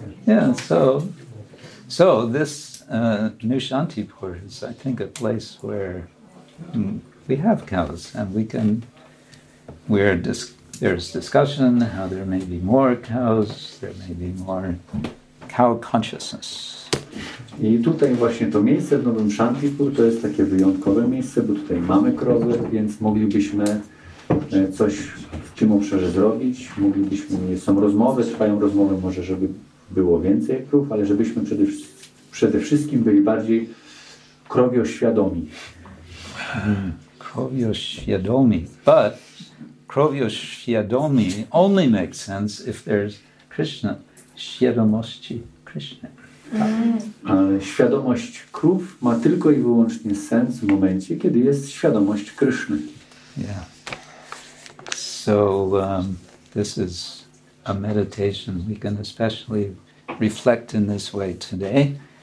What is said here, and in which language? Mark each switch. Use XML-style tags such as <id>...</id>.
<en>Yeah, so this Nushantipur is, I think, a place where we have cows and there's discussion how there may be more cows, there may be more cow consciousness.</en> <pl>I tutaj właśnie to miejsce w Nowym Shantipur to jest takie wyjątkowe miejsce, bo tutaj mamy krowy, więc moglibyśmy coś w tym obszarze zrobić. Moglibyśmy, są rozmowy, trwają rozmowy może, żeby było więcej krów, ale żebyśmy przede wszystkim byli bardziej krowioświadomi. Krowioświadomi,</pl> <en>but krowioświadomi only makes sense if there's Krishna,</en> <pl>świadomości Krishna. Świadomość krów ma tylko i wyłącznie sens w momencie, kiedy jest świadomość Kryszny.</pl> <en>Yeah. So this is a meditation we can especially reflect in this way today.</en>